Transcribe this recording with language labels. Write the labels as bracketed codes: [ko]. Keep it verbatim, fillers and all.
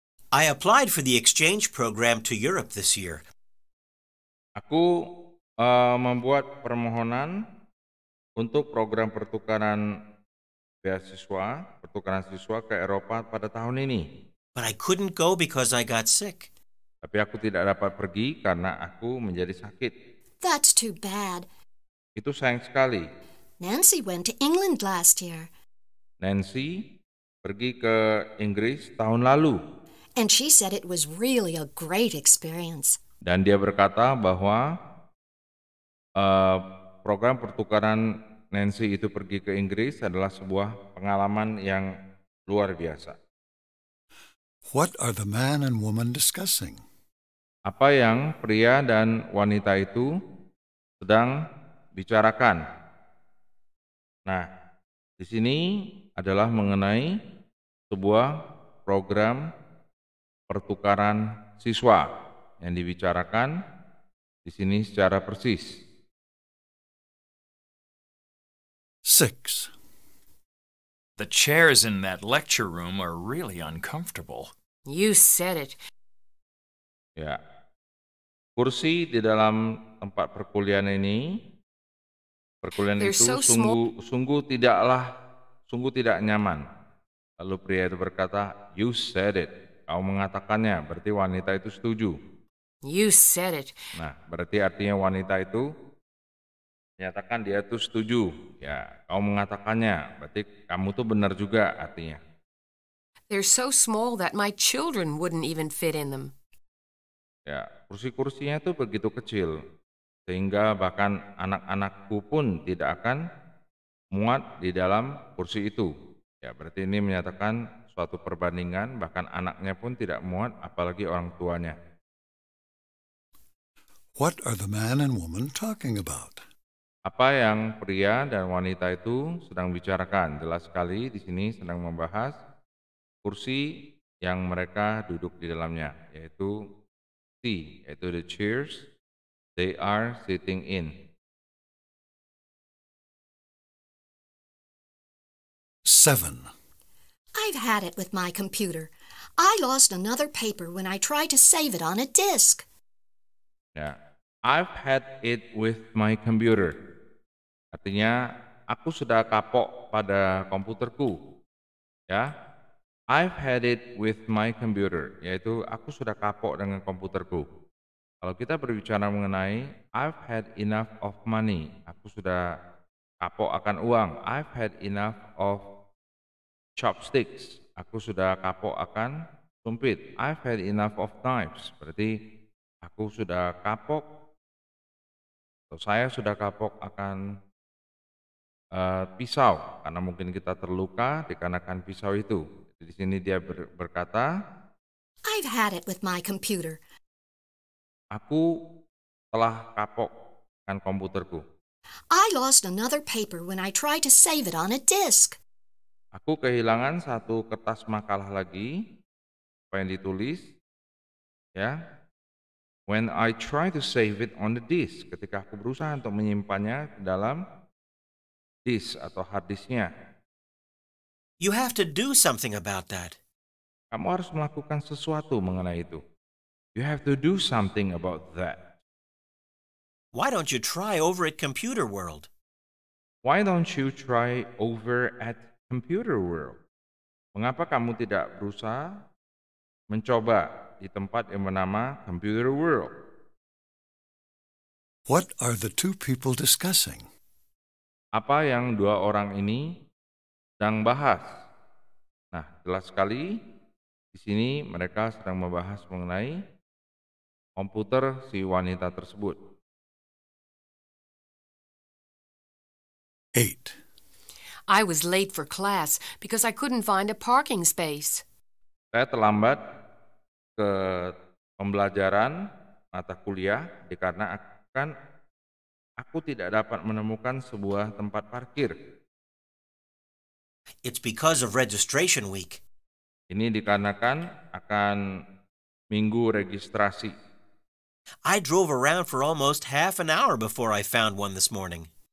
[en] I applied for the exchange program to Europe this year. [id] Aku uh, membuat permohonan untuk program pertukaran beasiswa, pertukaran siswa ke Eropa pada tahun ini. [en] But I couldn't go because I got sick. [id] Tapi aku tidak dapat pergi karena aku menjadi sakit. [en] That's too bad. [id] Itu sayang sekali. [en] Nancy went to England last year. [id] Nancy pergi ke Inggris tahun lalu. [en] And she said it was really a great experience. [id] Dan dia berkata bahwa uh, program pertukaran Nancy itu pergi ke Inggris adalah sebuah pengalaman yang luar biasa. [en] What are the man and woman discussing? [id] Apa yang pria dan wanita itu sedang bicarakan? Nah, di sini adalah mengenai sebuah program pertukaran siswa yang dibicarakan di sini secara persis. [en] Six. The chairs in that lecture room are really uncomfortable. You said it. [id] Ya. Kursi di dalam tempat perkuliahan ini, perkuliahan [en] They're [id] itu sungguh sungguh tidaklah sungguh tidak nyaman. Lalu pria itu berkata, [en] "You said it." [id] Kau mengatakannya, berarti wanita itu setuju. [en] You said it. [id] Nah, berarti artinya wanita itu menyatakan dia itu setuju. Ya, kau mengatakannya, berarti kamu tuh benar juga artinya. [en] They're so small that my children wouldn't even fit in them. [id] Ya, kursi-kursinya tuh begitu kecil, sehingga bahkan anak-anakku pun tidak akan muat di dalam kursi itu. Ya, berarti ini menyatakan suatu perbandingan, bahkan anaknya pun tidak muat, apalagi orang tuanya. [en] What are the man and woman talking about? [id] Apa yang pria dan wanita itu sedang bicarakan? Jelas sekali di sini sedang membahas kursi yang mereka duduk di dalamnya, yaitu C, yaitu [en] the chairs they are sitting in. Seven. I I've had it with my computer. I lost another paper when I tried to save it on a disk. [id] Ya, [en] I've had it with my computer. [id] Artinya, aku sudah kapok pada komputerku. [en] Ya, I've had it with my computer. [id] Yaitu, aku sudah kapok dengan komputerku. Kalau kita berbicara mengenai, [en] I've had enough of money. [id] Aku sudah kapok akan uang. [en] I've had enough of chopsticks. [id] Aku sudah kapok akan sumpit. [en] I've had enough of knives. [id] Berarti aku sudah kapok atau saya sudah kapok akan uh, pisau karena mungkin kita terluka dikarenakan pisau itu. Di sini dia ber- berkata, [en] I've had it with my computer. [id] Aku telah kapok akan komputerku. [en] I lost another paper when I tried to save it on a disk. [id] Aku kehilangan satu kertas makalah lagi, apa yang ditulis, ya. [en] When I try to save it on the disk, [id] ketika aku berusaha untuk menyimpannya dalam disk atau hard disknya. [en] You have to do something about that. [id] Kamu harus melakukan sesuatu mengenai itu. [en] You have to do something about that. Why don't you try over at Computer World? Why don't you try over at Computer World? [id] Mengapa kamu tidak berusaha mencoba di tempat yang bernama Computer World? [en] What are the two people discussing? [id] Apa yang dua orang ini sedang bahas? Nah, jelas sekali di sini mereka sedang membahas mengenai komputer si wanita tersebut. [en] Eight. I was late for class because I couldn't find a parking space. [id] Saya terlambat ke pembelajaran mata kuliah dikarenakan aku tidak dapat menemukan sebuah tempat parkir. [en] It's because of registration week. [id] Ini dikarenakan akan minggu registrasi. [en] I drove around for almost half an hour before I found one this morning.